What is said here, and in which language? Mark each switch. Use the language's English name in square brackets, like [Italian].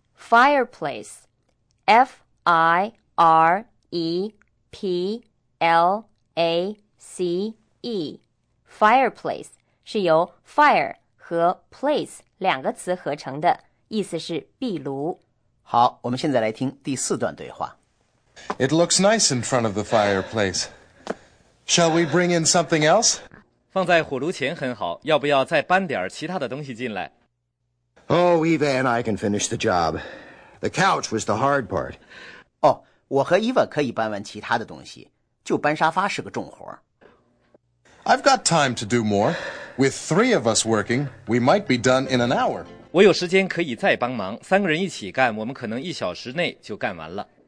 [Chinese] Fireplace. F-I-R-E-P-L-A-C-E Fireplace 是由 fire 和 place 两个词合成的，意思是壁炉。好，我们现在来听第四段对话。 [English] It looks nice in front of the fireplace. Shall we bring in something else? [Chinese] 放在火炉前很好，要不要再搬点其他的东西进来？ [English] Oh, Eva and I can finish the job. The couch was the hard part. [Chinese] 哦，我和 Eva 可以搬完其他的东西，就搬沙发是个重活。 [English] I've got time to do more. With three of us working, we might be done in an hour. [Chinese] 我有时间可以再帮忙，三个人一起干，我们可能一小时内就干完了。